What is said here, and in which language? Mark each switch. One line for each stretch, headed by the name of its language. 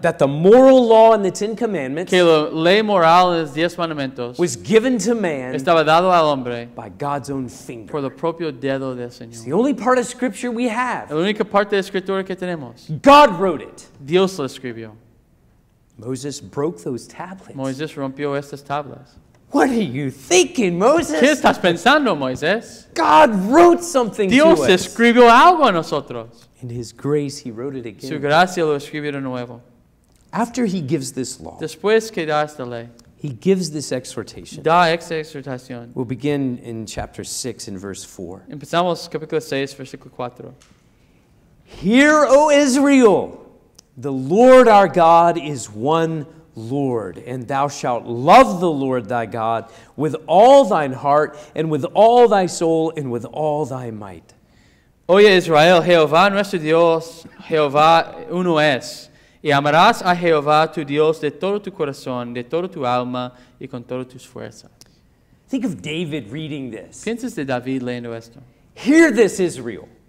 English: that the moral law and the Ten Commandments,
Spanish: que la ley moral y los diez mandamientos,
English: was given to man,
Spanish: estaba dado al hombre,
English: by God's own finger.
Spanish: Por el propio dedo del Señor.
English: It's the only part of Scripture we have.
Spanish: La única parte de escritura que tenemos.
English: God wrote it.
Spanish: Dios lo escribió.
English: Moses broke those tablets.
Spanish: Moisés rompió estas tablas.
English: What are you thinking, Moses?
Spanish: ¿Qué estás pensando, Moisés?
English: God wrote something
Spanish: Dios
English: to us.
Spanish: Dios escribió algo a nosotros.
English: In his grace, he wrote it again.
Spanish: Su gracia lo escribió de nuevo.
English: After he gives this law,
Spanish: después que da esta ley,
English: he gives this exhortation.
Spanish: Da esta exhortación.
English: We'll begin in chapter 6 in verse 4.
Spanish: Empezamos capítulo 6, versículo 4.
English: Hear, O Israel! The Lord our God is one Lord, and thou shalt love the Lord thy God with all thine heart, and with all thy soul, and with all thy might.
Spanish: Oye Israel, Jehová nuestro Dios, Jehová uno es, y amarás a Jehová tu Dios de todo tu corazón, de toda tu alma, y con todas tus fuerzas.
English: Think of David reading this.
Spanish: Piensas de David leyendo esto.
English: Hear this, Israel.